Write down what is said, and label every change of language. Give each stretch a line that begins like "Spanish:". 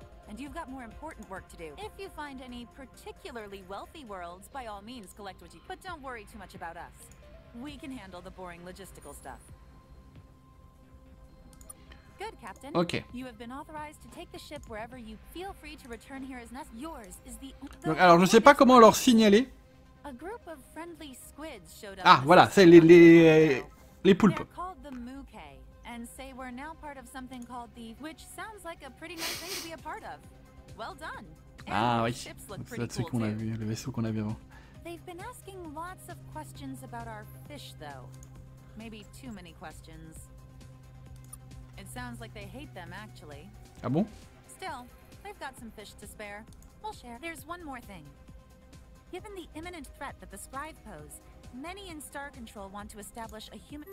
English: And you've got more important work to do. If you find any particularly wealthy worlds, by all means collect what you can. But don't worry too much about us. We can handle the boring logistical stuff. Good, Captain. Okay. You have been authorized to take the ship wherever you feel free to return here as necessary. Yours is the.
French: Donc, alors, je sais pas comment leur signaler.
English: A group of friendly squids showed up.
French: Ah, voilà, c'est les poulpes.
English: They're called the Mukai, and say we're now part of something called the, which sounds like a pretty nice thing to be a part of. Well done.
French: Ah oui. C'est là-dessus qu'on a vu le vaisseau qu'on a vu avant.
English: They've been asking lots of questions about our fish, though. Maybe too many questions. It sounds like they hate them, actually.
French: Ah bon?
English: Still, they've got some fish to spare. We'll share. There's one more thing. Given the imminent threat that the Scribe pose, many in Star Control want to establish a human.